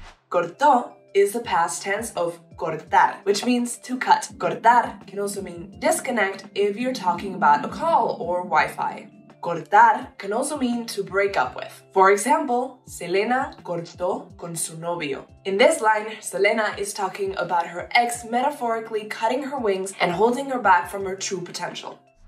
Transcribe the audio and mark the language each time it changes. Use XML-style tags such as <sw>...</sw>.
<en>Cortó is the past tense of cortar, which means to cut. Cortar can also mean disconnect if you're talking about a call or Wi-Fi. Cortar can also mean to break up with. For example,</en> <es>Selena cortó con su novio.</es> <en>In this line, Selena is talking about her ex metaphorically cutting her wings and holding her back from her true potential.</en>